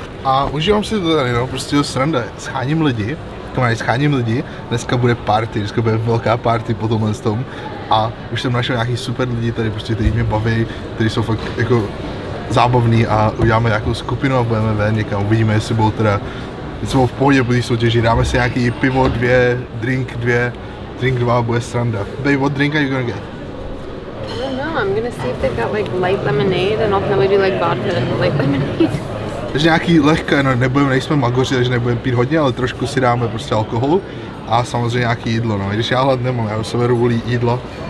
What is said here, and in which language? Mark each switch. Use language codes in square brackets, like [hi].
[cs] A užívám si to tady, no, prostě to sranda, scháním lidi, dneska bude party, dneska bude velká party po tomhle s tom. A už jsem našel nějaký super lidi tady, prostě, kteří mě baví, kteří jsou fakt jako zábavný a uděláme nějakou skupinu a budeme ven někam, uvidíme, jestli budou teda, jestli budou v pohodě po té soutěži, dáme si nějaký pivo, drink dva, bude sranda. [en] Babe, what drink are you gonna get? I don't know, I'm gonna see if they've got like light lemonade and I'll probably do like vodka light lemonade. [cs] Takže nějaký lehké, no nebudeme, nejsme magoři, takže nebudeme pít hodně, ale trošku si dáme prostě alkoholu a samozřejmě nějaký jídlo, no, když já hlad nemám, já se beru volí jídlo.